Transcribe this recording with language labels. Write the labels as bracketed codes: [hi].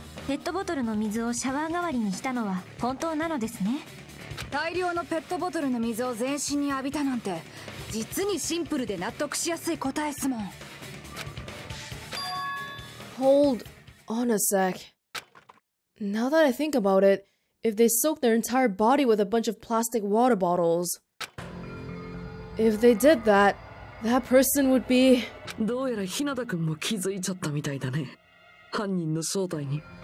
[ja] ペットボトルの水をシャワー代わりにしたのは本当なのですね。大量のペットボトルの水を全身に浴びたなんて実にシンプルで納得しやすい答えっすもん。 [en] Hold on a sec. Now that I think about it, if they soaked their entire body with a bunch of plastic water bottles, if they did that, that person would be... [ja] どうやら日向君も気づいちゃったみたいだね。犯人の正体に。